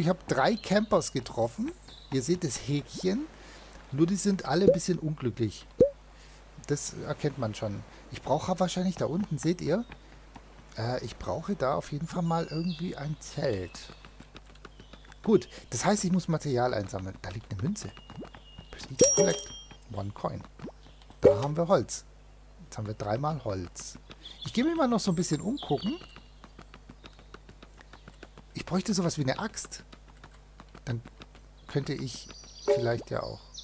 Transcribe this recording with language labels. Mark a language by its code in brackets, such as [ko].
[de] Ich habe drei Campers getroffen. Ihr seht das Häkchen. Nur die sind alle ein bisschen unglücklich. Das erkennt man schon. Ich brauche wahrscheinlich da unten, seht ihr? Ich brauche da auf jeden Fall mal irgendwie ein Zelt. Gut, das heißt, ich muss Material einsammeln. Da liegt eine Münze. [en] Please collect one coin. [de] Da haben wir Holz. Jetzt haben wir dreimal Holz. Ich gehe mir mal noch so ein bisschen umgucken. Ich bräuchte sowas wie eine Axt. Dann könnte ich vielleicht ja auch.